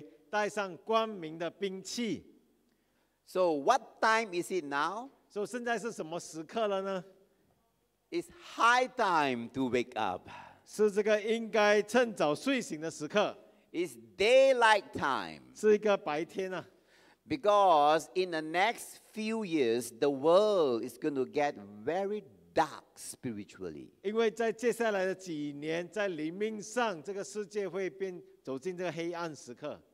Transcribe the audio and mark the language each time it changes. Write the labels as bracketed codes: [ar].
[zh] 12节这么说，黑夜已深，白昼将近，我们就当脱去暗昧的行为，带上光明的兵器。 [en] So what time is it now? [zh] So 现在是什么时刻了呢? [en] It's high time to wake up. [zh] 是这个应该趁早睡醒的时刻。 [en] It's daylight time. [zh] 是一个白天啊。 [en] Because in the next few years, the world is going to get very dark spiritually. [zh] 因为在接下来的几年，在灵命上，这个世界会变走进这个黑暗时刻。